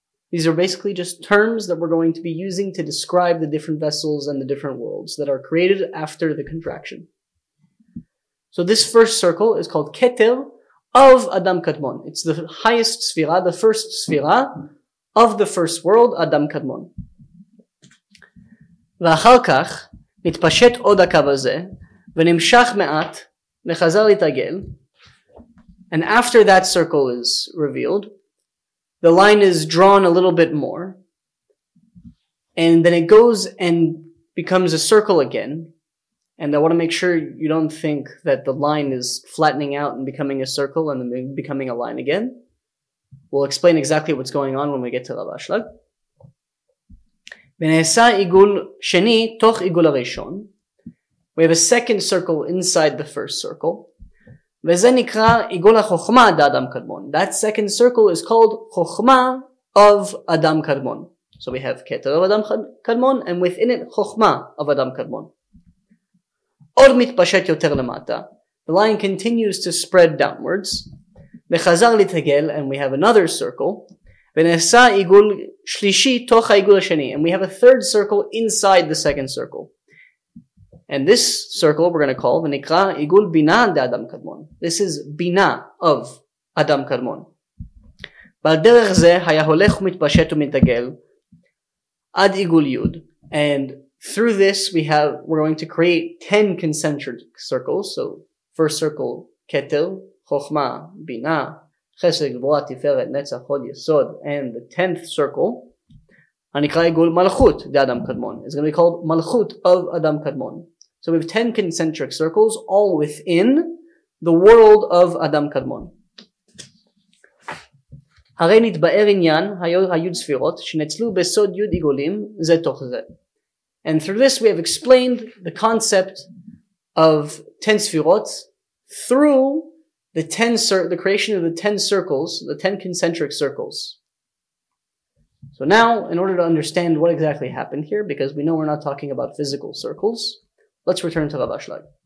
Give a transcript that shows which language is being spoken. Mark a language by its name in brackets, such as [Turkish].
[English] These are basically just terms that we're going to be using to describe the different vessels and the different worlds that are created after the contraction. So this first circle is called Keter of Adam Kadmon. It's the highest sfira, the first sfira of the first world, Adam Kadmon. [Hebrew] ואחר כך מתפשט עוד הקו הזה ונמשך מעט וחזר להתעגל. [English] And after that circle is revealed, the line is drawn a little bit more, and then it goes and becomes a circle again. And I want to make sure you don't think that the line is flattening out and becoming a circle and then becoming a line again. We'll explain exactly what's going on when we get to Rav Ashlag. [Hebrew] ונעשה עיגול שני תוך עיגול הראשון. [English] We have a second circle inside the first circle. [Hebrew] וזה נקרא עיגול החוכמה דאדם קדמון. [English] That second circle is called חוכמה of אדם קדמון. So we have כתר of אדם קדמון, and within it חוכמה of אדם קדמון. [Hebrew] עוד מתפשט יותר למטה. [English] The line continues to spread downwards. [Hebrew] וחזר להתגל, [English] and we have another circle. [Hebrew] ונעשה עיגול שלישי תוך העיגול השני. [English] And we have a third circle inside the second circle. And this circle we're going to call [Hebrew] ונקרא עיגול בינה דאדם קדמון. [English] This is בינה of אדם קדמון. [Hebrew] ועל דרך זה היה הולך ומתפשט ומתעגל עד עיגול יוד. [English] And through this we're going to create 10 concentric circles. So first circle, כתר, חוכמה, בינה, חסד, גבורה, תפארת, נצח, הוד, יסוד, and the 10th circle, [Hebrew] הנקרא עיגול מלכות דאדם קדמון. [English] It's going to be called מלכות of אדם קדמון. So we have 10 concentric circles, all within the world of אדם קדמון. [Hebrew] הרי נתבאר עניין היו ספירות שנצלו בסוד יוד עיגולים זה תוך זה. [English] And through this we have explained the concept of 10 ספירות through the creation of the 10 circles, the 10 concentric circles. So now, in order to understand what exactly happened here, because we know we're not talking about physical circles, let's return to Rav Ashlag.